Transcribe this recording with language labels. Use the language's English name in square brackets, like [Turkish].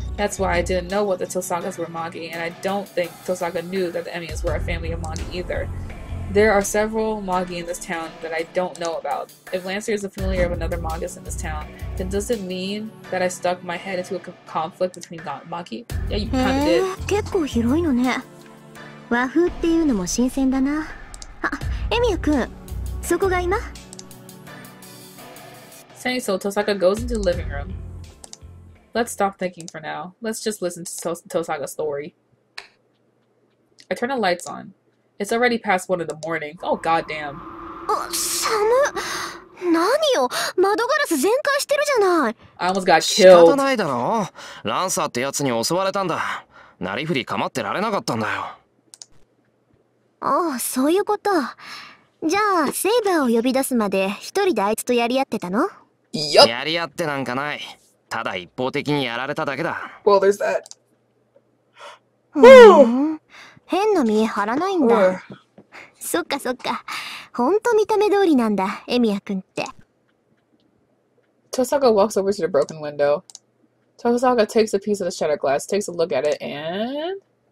[English] That's why I didn't know what the Tosakas were Magi, and I don't think Tosaka knew that the Emiyas were a family of Magi either. There are several Magi in this town that I don't know about. If Lancer is a familiar of another Magus in this town, then does it mean that I stuck my head into a conflict between Magi? Yeah, you kind of did. [Japanese] 結構広いのね。和風っていうのも新鮮だな。あ、エミヤ君、そこが今。 [English] Saying so, Tosaka goes into the living room. Let's stop thinking for now. Let's just listen to Tosaka's story. I turn the lights on. It's already past 1 in the morning. Oh, goddamn. What? What? The glass is all over the window. I almost got killed. I don't know. I was attacked by Lancer. I couldn't wait for him. Oh, that's right. So, Saber to call Saber, did you fight with him alone? Yep. No, I didn't fight with him. I was just one-sided. Well, there's that. Woo! [Japanese] 変な見え張らないんだ。そっかそっか。本当見た目通りなんだ、エミヤ君って。 [English] Tosaka walks over to the broken window. Tosaka takes a piece of the shattered glass, takes a look at it, and...